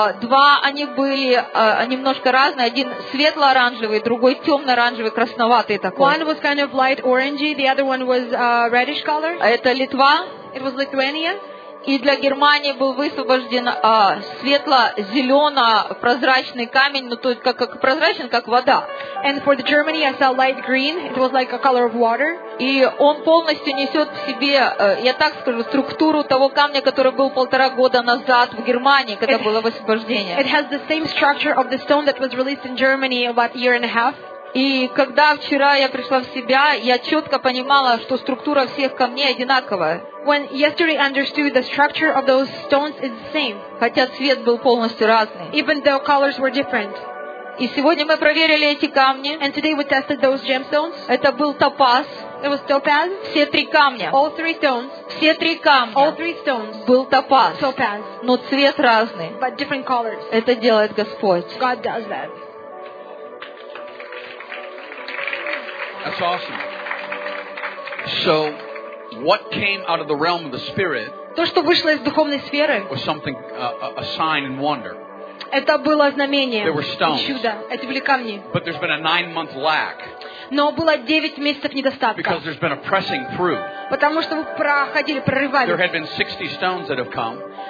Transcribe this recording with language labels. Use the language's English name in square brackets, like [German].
[Russian] Два они были немножко разные. Один светло-оранжевый, другой темно-оранжевый, красноватый такой. [English] One was kind of light orangey, the other one was reddish color. [Russian] Это Литва. [English] It was Lithuania. [Russian] И для Германии был высвобожден светло-зелено-прозрачный камень, ну то есть как прозрачен, как вода. [English] And for the Germany, I saw light green. It was like a color of water. [Russian] И он полностью несет в себе, я так скажу, структуру того камня, который был полтора года назад в Германии, когда было высвобождение. [English] It has the same structure of the stone that was released in Germany about a year and a half. [Russian] И когда вчера я пришла в себя, я четко понимала, что структура всех камней одинаковая. [English] When yesterday I understood the structure of those stones is the same. [Russian] Хотя цвет был полностью разный. [English] Even though colors were different. [Russian] И сегодня мы проверили эти камни. [English] And today we tested those gemstones. [Russian] Это был топаз. [English] It was topaz. [Russian] Все три камня. [English] All three stones. [Russian] Все три камня. [English] All three stones. [Russian] Был топаз. [English] Topaz. [Russian] Но цвет разный. [English] But different colors. [Russian] Это делает Господь. [English] God does that. That's awesome. So, what came out of the realm of the spirit? [Russian] То, что вышло из духовной сферы. [English] Was something a sign and wonder? [Russian] Это было знамение. [English] There were stones. [Russian] Чудо. Это были камни. [English] But there's been a 9-month lack. [Russian] Но было 9 месяцев недостатка. [English] Because there's been a pressing through. [Russian] Потому что вы проходили, прорывали. [English] There had been 60 stones that have come.